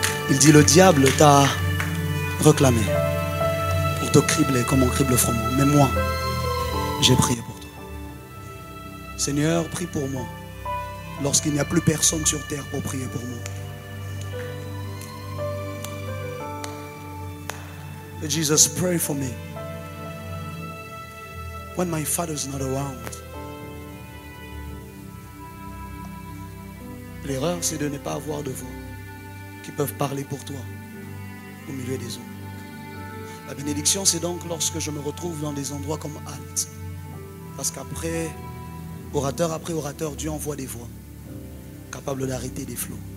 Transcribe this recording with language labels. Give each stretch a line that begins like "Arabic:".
French: Il dit, le diable t'a réclamé pour te cribler comme on crible froment. Mais moi, j'ai prié pour Seigneur, prie pour moi lorsqu'il n'y a plus personne sur terre pour prier pour moi.
English: Jesus, pray for me when my father's not around.
French: L'erreur, c'est de ne pas avoir de voix qui peuvent parler pour toi au milieu des hommes. La bénédiction, c'est donc lorsque je me retrouve dans des endroits comme Alt. Parce qu'après orateur après orateur, Dieu envoie des voix capables d'arrêter des flots.